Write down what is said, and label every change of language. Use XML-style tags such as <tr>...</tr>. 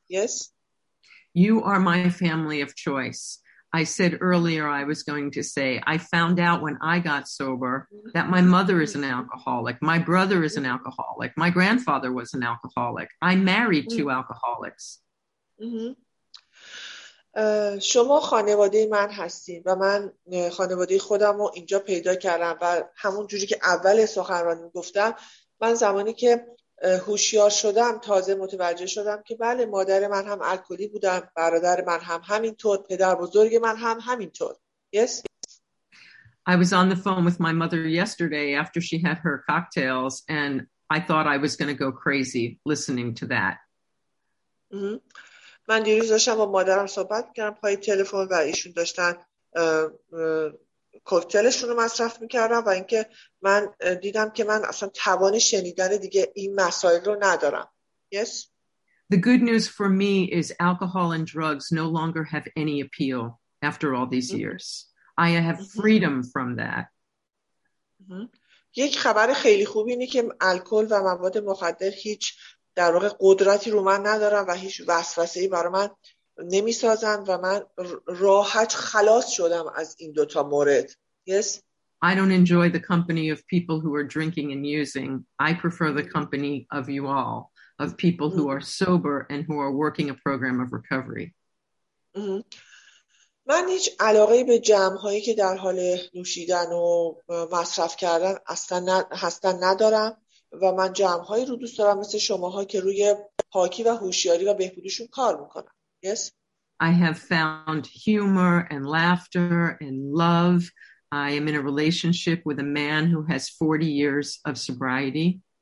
<en>Yes. You are my family of choice. I said earlier I was going to say I found out when I got sober that my mother is an alcoholic, my brother is an alcoholic, my grandfather was an alcoholic. I married two alcoholics.</en> <fa>شما خانواده من هستین و من خانواده خودم رو اینجا پیدا کردم و همون جوری که اول سخنرانی گفتم، من زمانی که هوشیار شدم تازه متوجه شدم که بله، مادر من هم الکلی بودم، برادر من هم همینطور، پدر بزرگ من هم همینطور.</fa> <en>Yes. I was on the phone with my mother yesterday after she had her cocktails and I thought I was going to go crazy listening to that.</en> <fa>من دیروز داشتم با مادرم صحبت میکردم پای تلفن و ایشون داشتن کوکتلشون رو مصرف میکردم و اینکه من دیدم که من اصلا توان شنیدن دیگه این مسائل رو ندارم.</fa> <en>Yes. The good news for me is alcohol and drugs no longer have any appeal after all these years. I have freedom from that.</en> <fa>یک خبر خیلی خوب اینه که الکل و مواد مخدر هیچ در واقع قدرتی رو من ندارم و هیچ وسوسه‌ای برای من نمی‌سازن و من راحت خلاص شدم از این دوتا مورد.</fa> <en>Yes. I don't enjoy the company of people who are drinking and using. I prefer the company of you all, of people who are sober and who are working a program of recovery.</en> <fa>من هیچ علاقه‌ای به جمع‌هایی که در حال نوشیدن و مصرف کردن هستن ندارم و من جمع‌های رو دوست دارم مثل شماها که روی پاکی و هوشیاری و بهبودیشون کار می‌کنن.</fa> <en>Yes. I have found humor and laughter and love. I am in a relationship with a man who has 40 years of sobriety.</en>